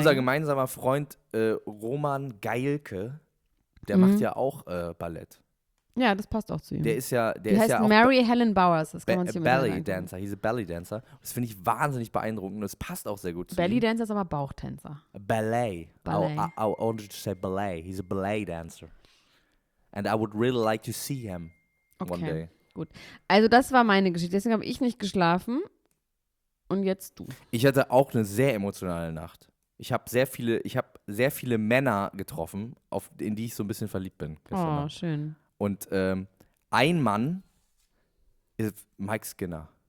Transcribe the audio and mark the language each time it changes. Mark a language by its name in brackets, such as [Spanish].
[German] Unser gemeinsamer Freund Roman Geilke, der macht ja auch Ballett. Ja, das passt auch zu ihm. Der ist ja der ist heißt ja Mary auch Helen Bowers. Das kann man sich immer [English] Belly Dancer. He's a Belly Dancer. [German] Das finde ich wahnsinnig beeindruckend. Das passt auch sehr gut zu [English] Belly [German] ihm. Belly Dancer ist aber Bauchtänzer. [English] Ballet. I wanted to say ballet. He's a ballet dancer. And I would really like to see him okay. One day. [German] Gut. Also das war meine Geschichte. Deswegen habe ich nicht geschlafen. Und jetzt du. Ich hatte auch eine sehr emotionale Nacht. Ich habe sehr viele Männer getroffen, in die ich so ein bisschen verliebt bin. Oh, schön. Und ein Mann ist Mike Skinner.